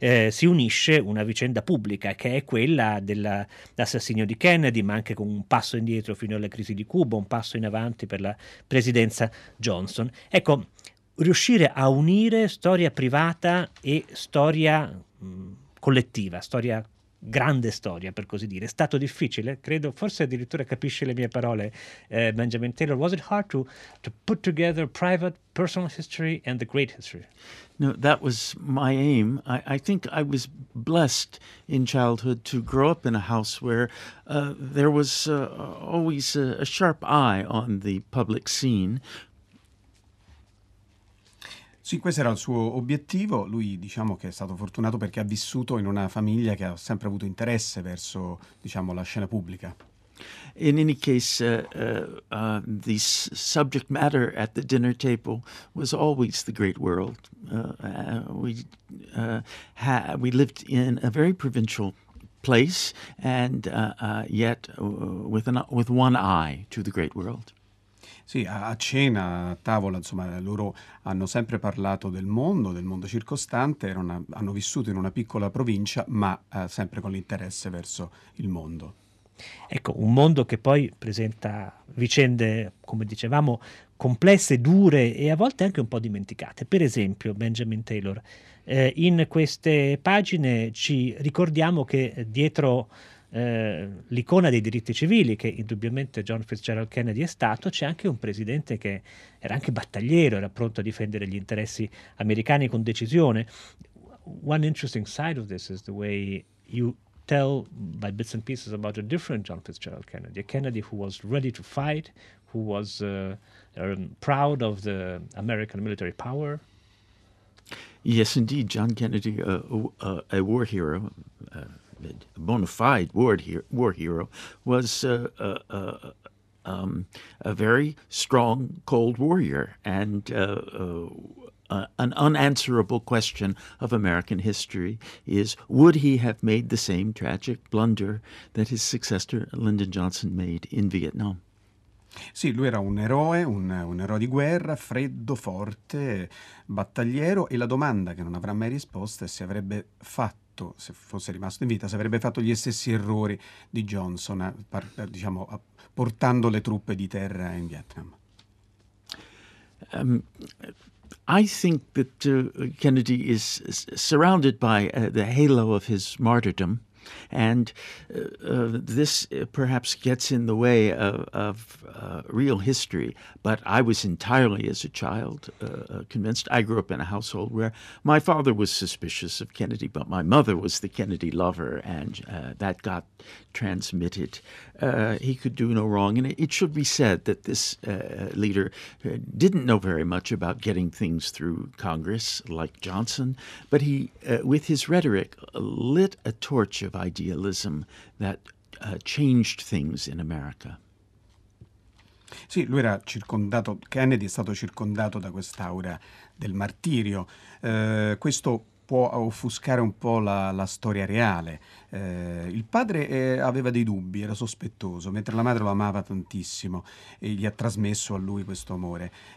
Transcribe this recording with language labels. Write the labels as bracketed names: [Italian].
[Italian] si unisce una vicenda pubblica che è quella dell'assassinio di Kennedy, ma anche con un passo indietro fino alla crisi di Cuba, un passo in avanti per la presidenza Johnson. Ecco, riuscire a unire storia privata e storia collettiva, storia, grande storia per così dire, è stato difficile, credo, forse addirittura capisce le mie parole, Benjamin Taylor. [English] Was it hard to put together private personal history and the great history? No, that was my aim. I think I was blessed in childhood to grow up in a house where there was always a sharp eye on the public scene. [Italian] Sì, questo era il suo obiettivo. Lui, diciamo, che è stato fortunato perché ha vissuto in una famiglia che ha sempre avuto interesse verso, diciamo, la scena pubblica. [English] In any case, the subject matter at the dinner table was always the great world. We lived in a very provincial place and yet with one eye to the great world. [Italian] Sì, a cena, a tavola, insomma, loro hanno sempre parlato del mondo circostante, hanno vissuto in una piccola provincia, ma sempre con l'interesse verso il mondo. Ecco, un mondo che poi presenta vicende, come dicevamo, complesse, dure e a volte anche un po' dimenticate. Per esempio, Benjamin Taylor, in queste pagine ci ricordiamo che dietro l'icona dei diritti civili che indubbiamente John Fitzgerald Kennedy è stato, c'è anche un presidente che era anche battagliero, era pronto a difendere gli interessi americani con decisione. [English] One interesting side of this is the way you tell by bits and pieces about a different John Fitzgerald Kennedy, a Kennedy who was ready to fight, who was proud of the American military power. Yes, indeed, John Kennedy, a war hero, a bona fide war hero, was a very strong Cold Warrior and an unanswerable question of American history is, would he have made the same tragic blunder that his successor Lyndon Johnson made in Vietnam? [Italian] Sì, lui era un eroe, un eroe di guerra, freddo, forte, battagliero, e la domanda che non avrà mai risposta è se avrebbe fatto, se fosse rimasto in vita, se avrebbe fatto gli stessi errori di Johnson, diciamo, portando le truppe di terra in Vietnam. [English] I think that Kennedy is surrounded by the halo of his martyrdom, and this perhaps gets in the way of real history, but I was entirely as a child convinced. I grew up in a household where my father was suspicious of Kennedy, but my mother was the Kennedy lover, and that got transmitted. He could do no wrong, and it should be said that this leader didn't know very much about getting things through Congress like Johnson, but he, with his rhetoric, lit a torch of idealism that changed things in America. [Italian] Sì, lui era circondato, Kennedy è stato circondato da quest'aura del martirio. Questo può offuscare un po' la storia reale. Il padre aveva dei dubbi, era sospettoso, mentre la madre lo amava tantissimo e gli ha trasmesso a lui questo amore.